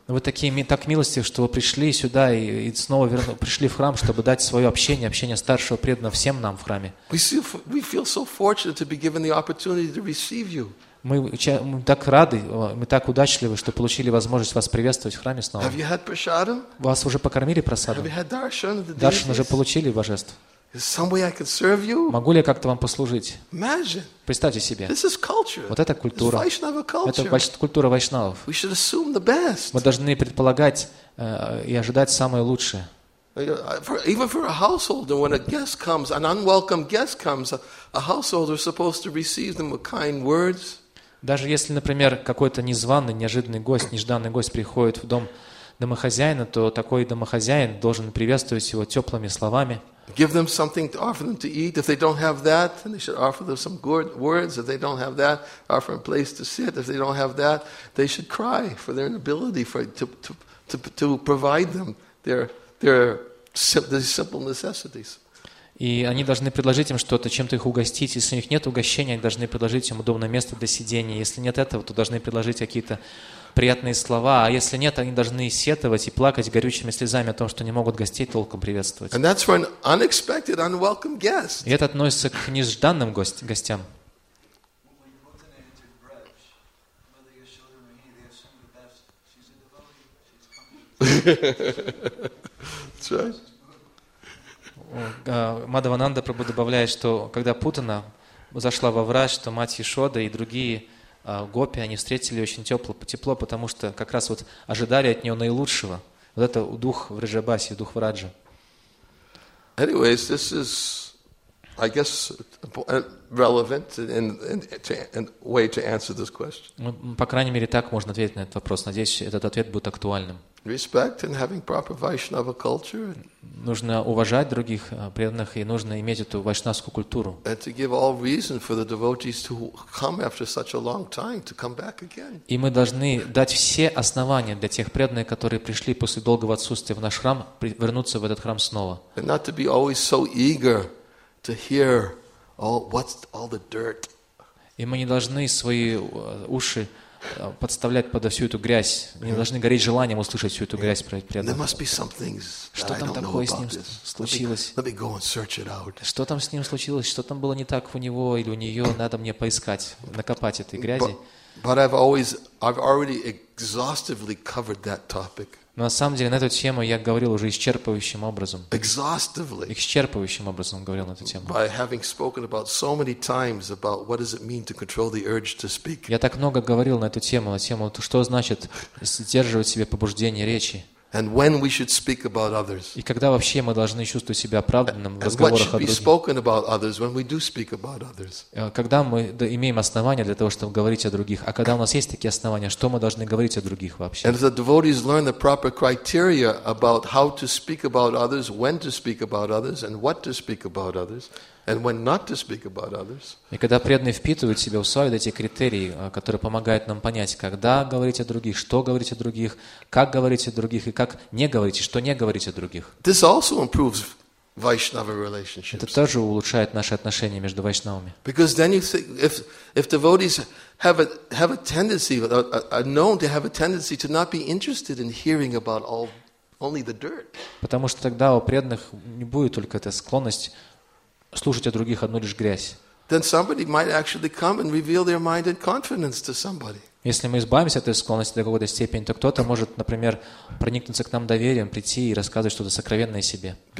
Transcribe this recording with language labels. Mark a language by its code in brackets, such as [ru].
[ru] Вы такие так милости, что вы пришли сюда и снова пришли в храм, чтобы дать свое общение, общение старшего преданного всем нам в храме. [en] We feel so fortunate to be given the opportunity to receive you. [ru] Мы так рады, мы так удачливы, что получили возможность вас приветствовать в храме снова. Вас уже покормили прасадом? Даршан уже получили божеств? Могу ли я как-то вам послужить? Представьте себе. Вот это культура. Это культура вайшнавов. Мы должны предполагать и ожидать самое лучшее. [en] Even for a householder, when a guest comes, an unwelcome guest comes, a householder is supposed to receive them with kind words. [ru] Даже если, например, какой-то незваный, неожиданный гость, нежданный гость приходит в дом домохозяина, то такой домохозяин должен приветствовать его теплыми словами. [en] Give them something to offer them to eat. If they don't have that, then they should offer them some good words. If they don't have that, offer them a place to sit. If they don't have that, they should cry for their inability to provide them their simple necessities. [ru] И они должны предложить им что-то, чем-то их угостить. Если у них нет угощения, они должны предложить им удобное место для сидения. Если нет этого, то должны предложить какие-то приятные слова. А если нет, они должны сетовать и плакать горючими слезами о том, что не могут гостей толком приветствовать. [en] And that's for an unexpected, unwelcome guest. [ru] И это относится к нежданным гостям. Мадхавананда Прабху добавляет, что когда Путана зашла во врач, то мать Ешода и другие гопи, они встретили очень тепло, потому что как раз вот ожидали от нее наилучшего. Вот это дух Вриджабаси, дух Враджа. [en] Anyways, this is, I guess, relevant in way to answer this question. [ru] По крайней мере, так можно ответить на этот вопрос. Надеюсь, этот ответ будет актуальным. [en] Respect and having proper Vaishnava culture. [ru] Нужно уважать других преданных и нужно иметь эту вайшнавскую культуру. [en] And to give all reason for the devotees to come after such a long time to come back again. [ru] И мы должны дать все основания для тех преданных, которые пришли после долгого отсутствия в наш храм, вернуться в этот храм снова. [en] And not to be always so eager to hear all the dirt. [ru] И мы не должны свои уши подставлять под всю эту грязь. Мне должны гореть желанием услышать всю эту грязь про преданного. Что там такое с ним случилось? Что там с ним случилось? Что там было не так у него или у нее? Надо мне поискать, накопать этой грязи. Но на самом деле на эту тему я говорил уже исчерпывающим образом. Исчерпывающим образом говорил на эту тему. [en] By having spoken about so many times about what does it mean to control the urge to speak. [ru] Я так много говорил на эту тему, что значит сдерживать себе побуждение речи. [en] And when we should speak about others. [ru] И когда вообще мы должны чувствовать себя оправданным в разговорах о других. [en] And what should be spoken about others when we do speak about others. [ru] Когда мы имеем основания для того, чтобы говорить о других, а когда у нас есть такие основания, что мы должны говорить о других вообще? [en] And if the devotees learn the proper criteria about how to speak about others, when to speak about others, and what to speak about others. And when not to speak about others. [ru] И когда преданные впитывают в себя, усваивают эти критерии, которые помогают нам понять, когда говорить о других, что говорить о других, как говорить о других и как не говорить, и что не говорить о других. [en] This also improves Vaishnava relationships. [ru] Это тоже улучшает наши отношения между вайшнавами. [en] Because then you think, if devotees are known to have a tendency to not be interested in hearing about all only the dirt. [ru] Потому что тогда у преданных не будет только эта склонность слушать о других одну лишь грязь. Если мы избавимся от этой склонности до какой-то степени, то кто-то может, например, проникнуться к нам доверием, прийти и рассказывать что-то сокровенное о себе.